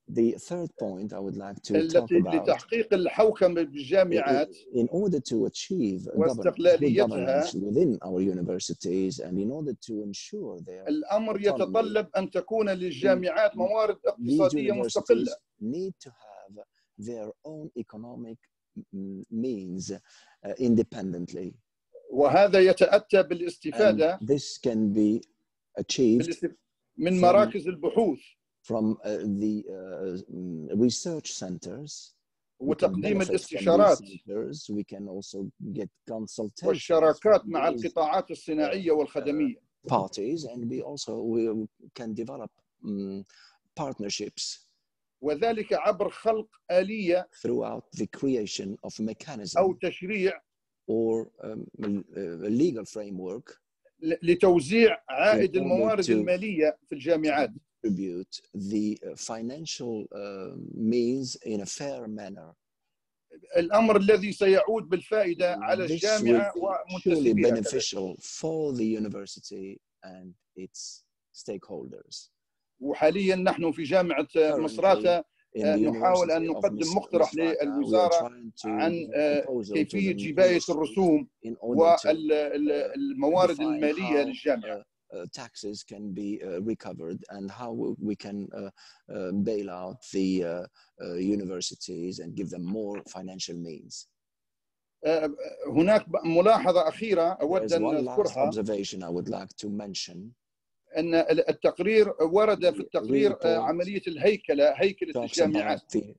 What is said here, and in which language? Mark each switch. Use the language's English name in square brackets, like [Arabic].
[English] the third point I would like to talk about [Arabic] لتحقيق الحوكمة بالجامعات [English] in order to achieve governance within our universities and in order to ensure their [Arabic] الأمر يتطلب أن تكون للجامعات موارد اقتصادية مستقلة [English] need to have their own economic means independently. [Arabic] وهذا يتأتى بالاستفادة [English] and this can be achieved [Arabic] من مراكز البحوث [English] from the research centers [Arabic] وتقديم الاستشارات [English] we can also get consultations [Arabic] والشراكات مع القطاعات الصناعية والخدمية [English] parties and we also can develop partnerships [Arabic] وذلك عبر خلق آلية [English] throughout the creation of mechanism [Arabic] أو تشريع [English] or a legal framework [Arabic] لتوزيع عائد الموارد المالية في الجامعات [English] contribute the financial means in a fair manner [Arabic] الأمر الذي سيعود بالفائدة على الجامعة ومنتسبيها [English] surely beneficial for the university and its stakeholders [Arabic] وحاليا نحن في جامعة مصراتة نحاول أن نقدم مقترح للوزارة عن كيفية جباية الرسوم والموارد المالية للجامعة. [English] Taxes can be recovered and how we can bail out the universities and give them more financial means. [Arabic] هناك ملاحظة أخيرة أود أن أذكرها. [English] One last observation I would like to mention. [Arabic] أن التقرير ورد في التقرير عملية الهيكلة هيكلة الجامعات